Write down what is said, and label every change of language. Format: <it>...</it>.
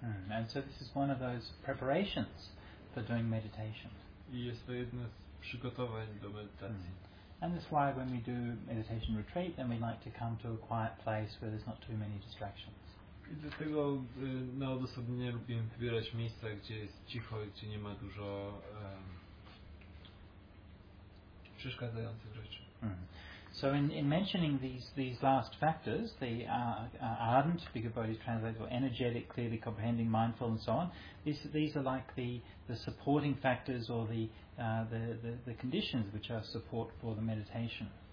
<en>And so this is one of those preparations for doing meditation.</en> <pl>I jest to jedno z przygotowań do medytacji.</pl> <en>And that's why when we do meditation retreat, then we like to come to a quiet place where there's not too many distractions.</en> <pl>I dlatego na odosobnienie lubimy wybierać miejsca, gdzie jest cicho i gdzie nie ma dużo przeszkadzających rzeczy.</pl> <en>So in mentioning these last factors, the ardent, bigger bodies translated, or energetic, clearly comprehending, mindful, and so on, these are like the supporting factors or the conditions which are support for the meditation.</en>